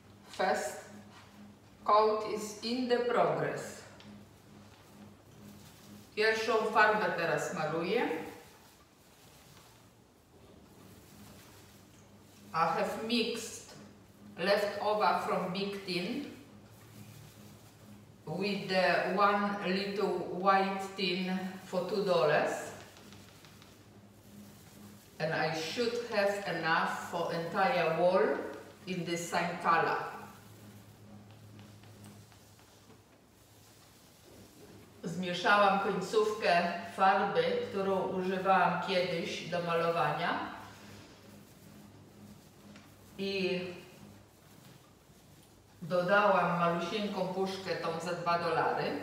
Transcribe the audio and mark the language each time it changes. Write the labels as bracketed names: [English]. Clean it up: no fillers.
[English] First coat is in the progress. [Polish] Pierwszą farbę teraz maluję. [English] I have mixed leftover from big tin with the one little white tin for $2. And I should have enough for entire wall in the same color. [Polish] Zmieszałam końcówkę farby, którą używałam kiedyś do malowania. I dodałam malusieńką puszkę tą za $2.